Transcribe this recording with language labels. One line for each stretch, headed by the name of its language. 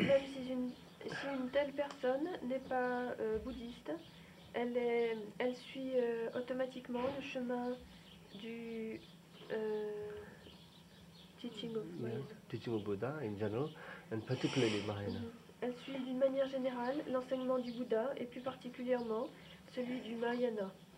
French: Même si une telle personne n'est pas bouddhiste, elle suit automatiquement le chemin du
English: teaching of Buddha. Yes, teaching of Buddha in general, and particularly Mahayana.
French: Elle suit d'une manière générale l'enseignement du Bouddha, et plus particulièrement celui du Mahayana.